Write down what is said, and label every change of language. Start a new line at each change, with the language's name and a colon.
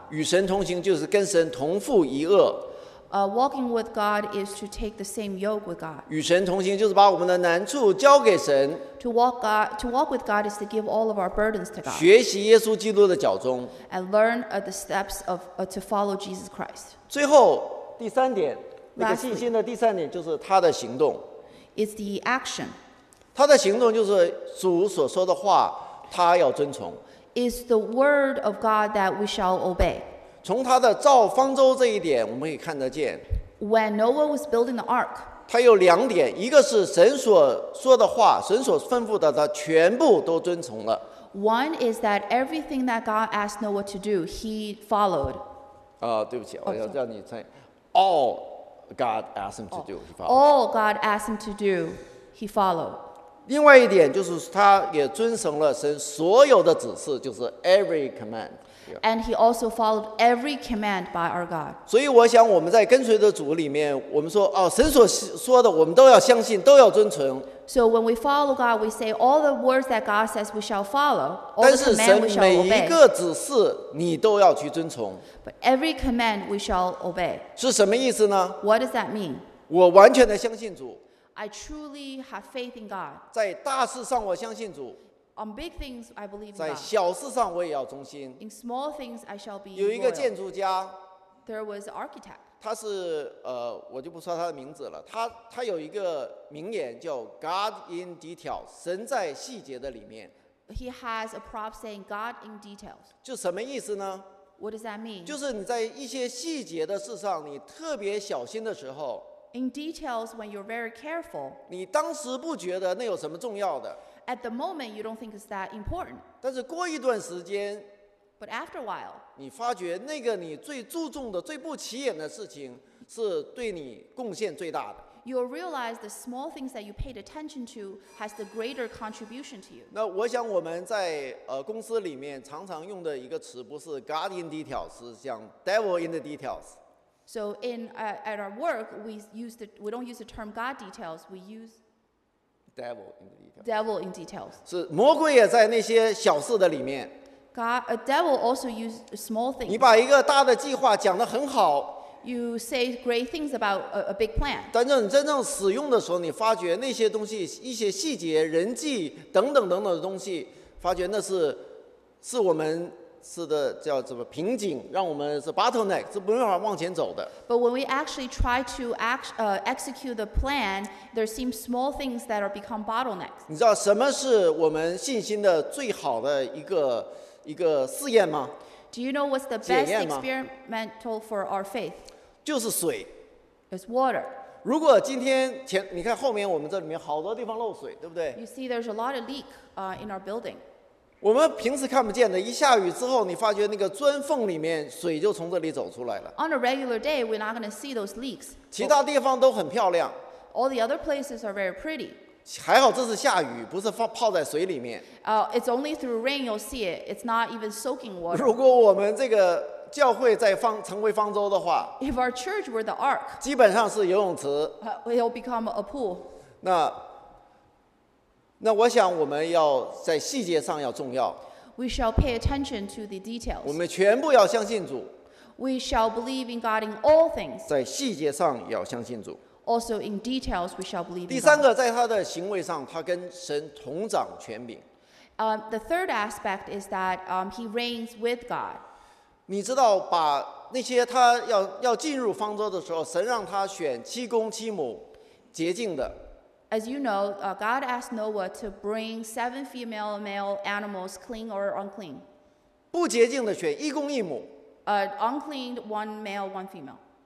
Chinese: 与神同行就是跟神同父一轭。
English: Walking with God is to take the same yoke with God.
Chinese: 与神同行就是把我们的难处交给神。
English: To walk with God is to give all of our burdens to God.
Chinese: 学习耶稣基督的脚踪。
English: And learn the steps of to follow Jesus Christ.
Chinese: 最后第三点，那个信心的第三点就是他的行动。
English: It's the action.
Chinese: 他的行动就是主所说的话，他要遵从。
English: It's the word of God that we shall obey.
Chinese: 从他的造方舟这一点，我们可以看得见。
English: When Noah was building the ark,
Chinese: 他有两点，一个是神所说的话，神所吩咐的，他全部都遵从了。
English: One is that everything that God asked Noah to do, he followed.
Chinese: 对不起，我要叫你猜。
English: All God asked him to do, he followed. All God asked him to do, he followed.
Chinese: 另外一点就是他也遵从了神所有的指示，就是
English: every command. Yeah. And he also followed every command by our God.
Chinese: 所以我想我们在跟随的主里面，我们说神所说的我们都要相信，都要遵从。
English: So when we follow God, we say all the words that God says we shall follow, all the command we shall obey.
Chinese: 但是神每一个指示你都要去遵从。
English: But every command we shall obey.
Chinese: 是什么意思呢？
English: What does that mean?
Chinese: 我完全的相信主。
English: I truly have faith in God.
Chinese: 在大事上我相信主。
English: On big things, I believe in God.
Chinese: 在小事上我也要忠心。
English: In small things, I shall be loyal.
Chinese: 有一个建筑家。
English: There was an architect.
Chinese: 他是我就不说他的名字了。他有一个名言叫
English: God in details，
Chinese: 神在细节的里面。
English: He has a prop saying God in details.
Chinese: 就什么意思呢？
English: What does that mean?
Chinese: 就是你在一些细节的事上，你特别小心的时候。
English: In details, when you're very careful.
Chinese: 你当时不觉得那有什么重要的。
English: At the moment, you don't think it's that important.
Chinese: 但是过一段时间。
English: But after a while,
Chinese: 你发觉那个你最注重的、最不起眼的事情，是对你贡献最大的。
English: You'll realize the small things that you paid attention to has the greater contribution to you.
Chinese: 那我想我们在公司里面常常用的一个词不是
English: God in details，
Chinese: 是像
English: Devil in the details. So in at our work we don't use the term God details. We use Devil in the details. Devil in details.
Chinese: 是魔鬼也在那些小事的里面。
English: God, a devil also use small things.
Chinese: 你把一个大的计划讲得很好。
English: You say great things about a big plan.
Chinese: 但是你真正使用的时候，你发觉那些东西，一些细节、人际等等等等的东西，发觉那是我们是的叫什么瓶颈，让我们是
English: bottleneck，
Chinese: 是没办法往前走的。
English: But when we actually try to execute the plan, there seem small things that are become bottlenecks.
Chinese: 你知道什么是我们信心的最好的一个试验吗？
English: Do you know what's the best experimental for our faith?
Chinese: 就是水。
English: It's water.
Chinese: 如果今天前，你看后面我们这里面好多地方漏水，对不对？
English: You see there's a lot of leak in our building.
Chinese: 我们平时看不见的，一下雨之后，你发觉那个砖缝里面水就从这里走出来了。
English: On a regular day, we're not going to see those leaks.
Chinese: 其他地方都很漂亮。
English: All the other places are very pretty.
Chinese: 还好这是下雨，不是泡在水里面。
English: It's only through rain you'll see it. It's not even soaking water.
Chinese: 如果我们这个教会在成为方舟的话
English: ，If our church were the ark，
Chinese: 基本上是游泳池。
English: It'll become a pool.
Chinese: 那我想我们要在细节上要重要。
English: We shall pay attention to the details.
Chinese: 我们全部要相信主。
English: We shall believe in God in all things.
Chinese: 在细节上要相信主。
English: Also in details, we shall believe.
Chinese: 第三个，在他的行为上，他跟神同掌权柄。
English: The third aspect is that he reigns with God.
Chinese: 你知道，把那些他要进入方舟的时候，神让他选七公七母，洁净的。
English: As you know, God asked Noah to bring seven female and male animals, clean or unclean.
Chinese: 不洁净的选一公一母。
English: Unclean, one male, one female.